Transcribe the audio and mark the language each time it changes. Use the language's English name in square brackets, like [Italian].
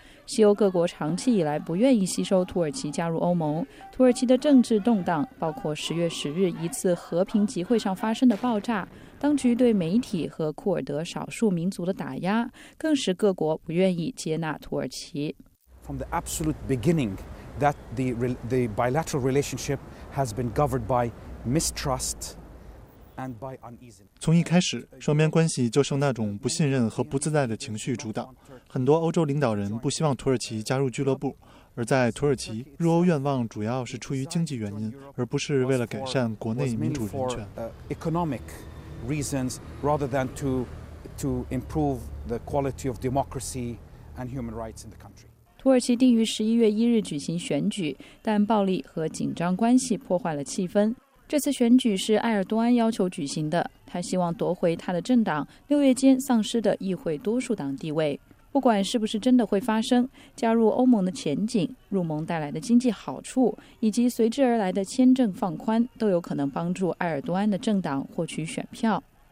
[Chinese] 西欧各国长期以来不愿意吸收土耳其加入欧盟。土耳其的政治动荡，包括10月10日一次和平集会上发生的爆炸，当局对媒体和库尔德少数民族的打压，更使各国不愿意接纳土耳其。 [English] From the absolute beginning, that the bilateral relationship has been governed by mistrust and by uneasiness. [Chinese] 从一开始，双边关系就受那种不信任和不自在的情绪主导。很多欧洲领导人不希望土耳其加入俱乐部，而在土耳其入欧愿望主要是出于经济原因，而不是为了改善国内民主人权。 [English] Reasons rather than to improve the quality of democracy and human rights in the country. [Chinese] 土耳其定于11月1日举行选举，但暴力和紧张关系破坏了气氛。这次选举是埃尔多安要求举行的，他希望夺回他的政党6月间丧失的议会多数党地位。不管是不是真的会发生，加入欧盟的前景、入盟带来的经济好处以及随之而来的签证放宽，都有可能帮助埃尔多安的政党获取选票。